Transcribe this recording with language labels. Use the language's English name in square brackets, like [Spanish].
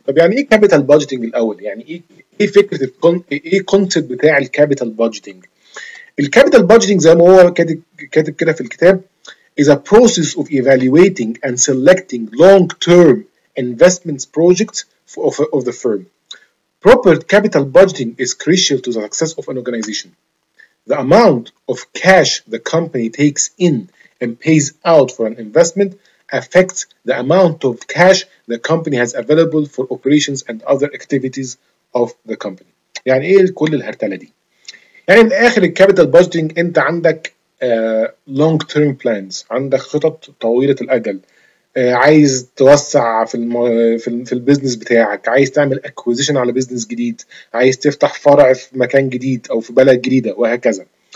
[Arabic] طب يعني ايه كابيتال بادجيتنج الاول؟ يعني ايه فكره ايه الكونسيبت بتاع الكابيتال بادجيتنج؟ الكابيتال بادجيتنج زي ما هو كاتب كده في الكتاب [English] is a process of evaluating and selecting long term investments projects of the firm. Proper capital budgeting is crucial to the success of an organization. The amount of cash the company takes in and pays out for an investment affects the amount of cash the company has available for operations and other activities of the company. [Arabic] يعني ايه كل الهرتلة دي؟ يعني الاخر الكابيتال بادجيتنج انت عندك لونج تيرم بلانز، عندك خطط طويله الاجل، عايز توسع في البيزنس بتاعك، عايز تعمل اكويزيشن على بيزنس جديد، عايز تفتح فرع في مكان جديد او في بلد جديده وهكذا.